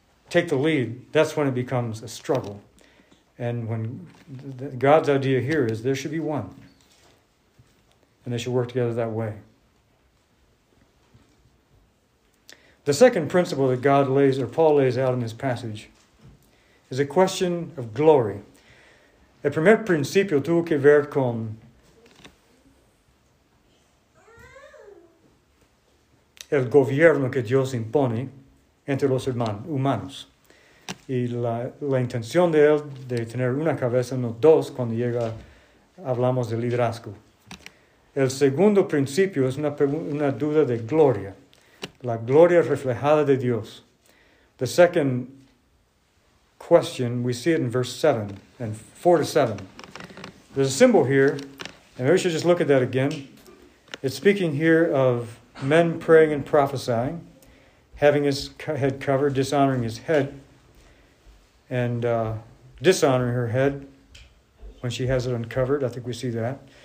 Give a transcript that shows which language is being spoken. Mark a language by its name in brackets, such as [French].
[English] take the lead, that's when it becomes a struggle. And when God's idea here is there should be one, and they should work together that way. The second principle that God lays, or Paul lays out in this passage, is a question of glory. [Spanish] El primer principio tuvo que ver con el gobierno que Dios impone entre los humanos. Y la intención de él de tener una cabeza, no dos, cuando llega, hablamos de liderazgo. El segundo principio es una duda de gloria. La gloria reflejada de Dios. [English] The second question, we see it in verse 7, and 4 to 7. There's a symbol here, and maybe we should just look at that again. It's speaking here of men praying and prophesying, having his head covered, dishonoring his head, and dishonoring her head when she has it uncovered. I think we see that.